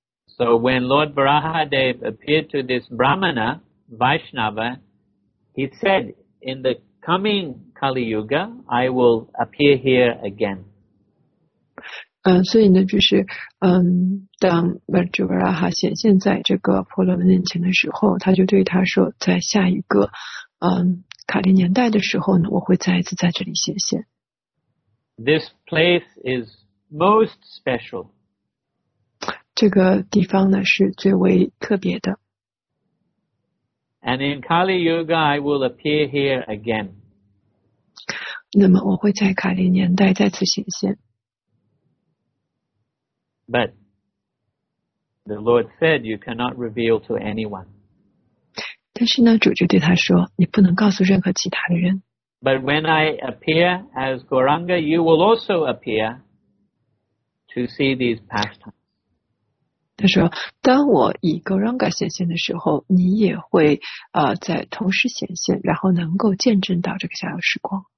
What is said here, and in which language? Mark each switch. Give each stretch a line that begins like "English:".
English: So when Lord Varahadev appeared to this Brahmana Vaishnava He said in the coming Kali Yuga I will appear here again
Chinese: 所以呢，就是当 Varaha 显现在这个婆罗门面前的时候，他就对他说，在下一个卡利年代的时候呢，我会再一次在这里显现。
English: This place is most special.
Chinese: 这个地方呢是最为特别的。
English: And in Kali Yuga, I will appear here again.
Chinese: 那么我会在卡利年代再次显现。
English: But the Lord said you cannot reveal to anyone.
Chinese: 但是呢，主就对他说，你不能告诉任何其他的人。
English: But when I appear as Gauranga, you will also appear to see these pastimes.
Chinese: 他说，当我以 Gauranga 显现的时候，你也会在同时显现，然后能够见证到这个逍遥时光。